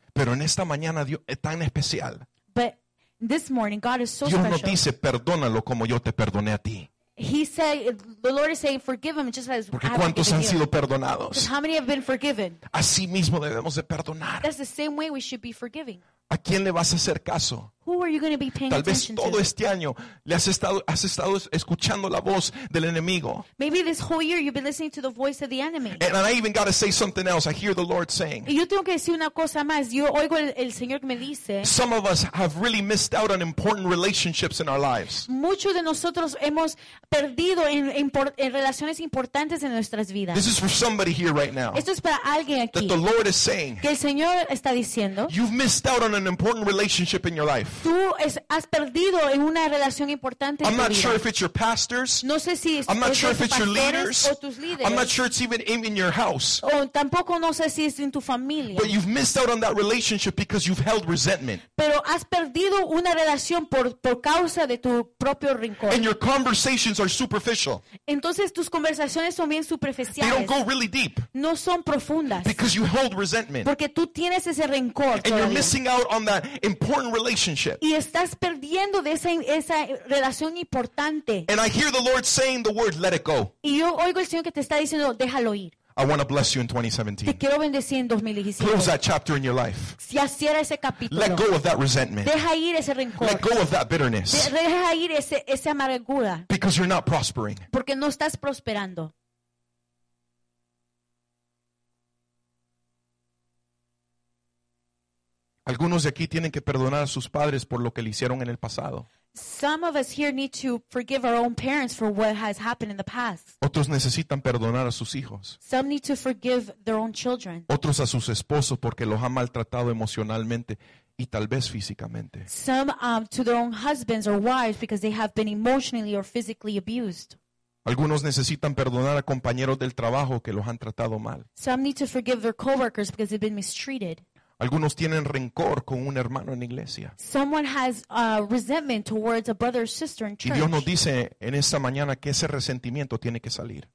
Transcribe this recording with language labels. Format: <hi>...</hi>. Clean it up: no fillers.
<es>Pero en esta mañana Dios es tan especial.</es> <en>But this morning God is so</en> <es>Dios</es> <en>special.</en> <es>Dios nos dice, perdónalo como yo te perdoné a ti.</es> <en>He said, the Lord is saying, forgive him just as I forgive you.</en> <es>Porque ¿cuántos han sido perdonados?</es> <en>How many have been forgiven?</en> <es>Así mismo debemos de perdonar.</es> <en>That's the same way we should be forgiving.</en> <es>¿A quién le vas a hacer caso?</es> <en>Who are you going to be paying</en> <es>Tal vez</es> <en>attention</en> <es>todo</es> <en>to?</en> <es>Este año le has estado escuchando la voz del enemigo.</es> <en>Maybe this whole year you've been listening to the voice of the enemy. And I even got to say something else. I hear the Lord saying.</en> <es>Y yo tengo que decir una cosa más. Yo oigo el Señor que me dice.</es> <en>Some of us have really missed out on important relationships in our lives.</en> <es>Muchos de nosotros hemos perdido en relaciones importantes en nuestras vidas.</es> <en>This is for somebody here right now.</en> <es>Esto es para alguien aquí.</es> <en>That the Lord is saying.</en> <es>Que el Señor está diciendo.</es> <en>You've missed out on an important relationship in your life.</en> <es>Tú has perdido en una relación importante en</es> <en>I'm not</en> <es>vida.</es> <en>Sure if it's your pastors.</en> <es>No sé si</es> <en>I'm not sure if it's your leaders.</en> <es>O tus líderes.</es> <en>I'm not sure it's even in your house.</en> <es>O tampoco no sé si es en tu familia.</es> <en>But you've missed out on that relationship because you've held resentment.</en> <es>Pero has perdido una relación por causa de tu propio rencor.</es> <en>And your conversations are superficial.</en> <es>Entonces tus conversaciones son bien superficiales.</es> <en>They don't go really deep.</en> <es>No son profundas.</es> <en>Because you hold resentment.</en> <es>Porque tú tienes ese rencor. todavía.</es> <en>You're missing out on that important relationship.</en> <es>Y estás perdiendo de esa relación importante.</es> <en>And I hear the Lord saying the word, let it go.</en> <es>Y yo oigo el Señor que te está diciendo, déjalo ir.</es> <en>I want to bless you in 2017.</en> <es>Te quiero bendecir en 2017.</es> <en>Close that chapter in your life.</en> <es>Ya cierra ese capítulo.</es> <en>Let go of that resentment.</en> <es>Deja ir ese rencor.</es> <en>Let go of that bitterness.</en> <es>Deja ir esa amargura.</es> <en>Because you're not prospering.</en> <es>Porque no estás prosperando. Algunos de aquí tienen que perdonar a sus padres por lo que le hicieron en el pasado.</es> <en>Some of us here need to forgive our own parents for what has happened in the past.</en> <es>Otros necesitan perdonar a sus hijos.</es> <en>Some need to forgive their own children.</en> <es>Otros a sus esposos porque los han maltratado emocionalmente y tal vez físicamente.</es> <en>Some to their own husbands or wives because they have been emotionally or physically abused.</en> <es>Algunos necesitan perdonar a compañeros del trabajo que los han tratado mal.</es> <en>Some need to forgive their coworkers because they've been mistreated.</en> <es>Algunos tienen rencor con un hermano en iglesia.</es> <en>Someone has resentment towards a brother or sister in church.</en> <es>Y Dios nos dice en esta mañana que ese resentimiento tiene que salir.</es>